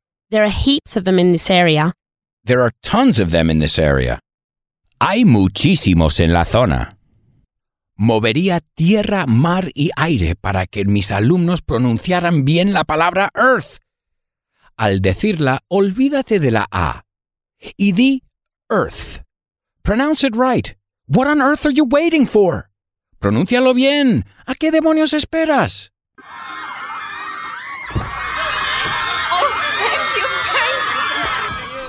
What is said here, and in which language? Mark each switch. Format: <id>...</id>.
<en>There are heaps of them in this area. There are tons of them in this area.</en> <es>Hay muchísimos en la zona. Movería tierra, mar y aire para que mis alumnos pronunciaran bien la palabra earth. Al decirla, olvídate de la A. Y di earth.</es> <en>Pronounce it right. What on earth are you waiting for?</en> <es>Pronúncialo bien. ¿A qué demonios esperas?</es> <en>Oh, thank you, thank you.</en>